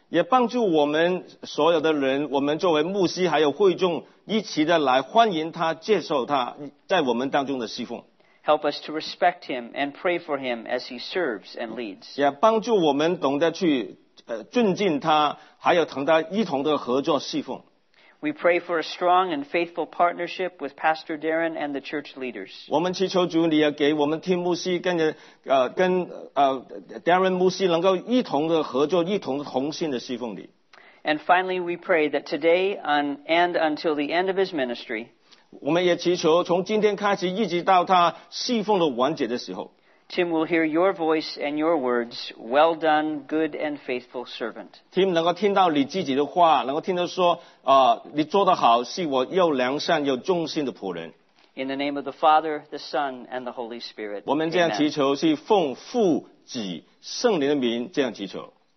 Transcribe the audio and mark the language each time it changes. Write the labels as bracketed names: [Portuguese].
[Chinese] 也帮助我们所有的人，我们作为牧师还有会众一起的来欢迎他、接受他在我们当中的侍奉。 [English] Help us to respect him and pray for him as he serves and leads. [Chinese] 也帮助我们懂得去尊敬他，还有同他一同的合作侍奉。 [English] We pray for a strong and faithful partnership with Pastor Darren and the church leaders. [Chinese] 我们祈求主，你要给我们 Tim 牧师跟 Darren 牧师能够一同的合作，一同同心的侍奉你。 [English] And finally, we pray that today and until the end of his ministry. [Chinese] 我们也祈求从今天开始一直到他侍奉的完结的时候 [English] Tim will hear your voice and your words, well done, good and faithful servant. [Chinese] Tim 能够听到你自己的话，能够听到说你做得好，是我又良善又忠心的仆人。 [English] In the name of the Father, the Son, and the Holy Spirit, [Chinese] 我们这样祈求是奉父子圣灵的名这样祈求。